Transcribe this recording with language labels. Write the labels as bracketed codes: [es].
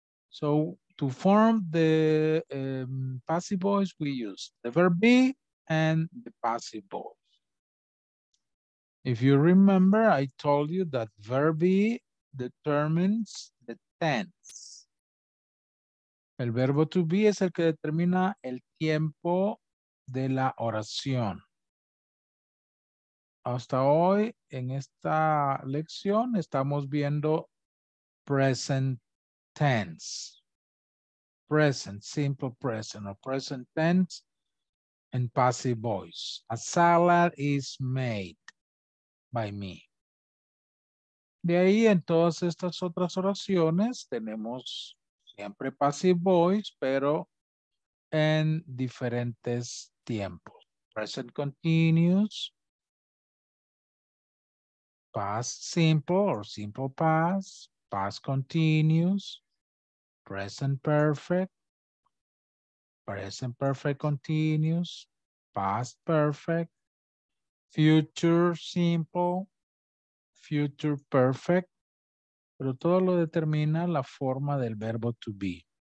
[en] So to form the passive voice, we use the verb be and the passive voice. If you remember, I told you that verb be determines the tense. [es] El verbo to be es el que determina el tiempo de la oración. Hasta hoy, en esta lección, estamos viendo present tense. [en] Present, simple present, or present tense and passive voice. A salad is made by me. [es] De ahí, en todas estas otras oraciones, tenemos siempre passive voice, pero en diferentes tiempos. [en] Present continuous, past simple or simple past, past continuous, present perfect, present perfect continuous, past perfect, future simple, future perfect, [es] pero todo lo determina la forma del verbo to be.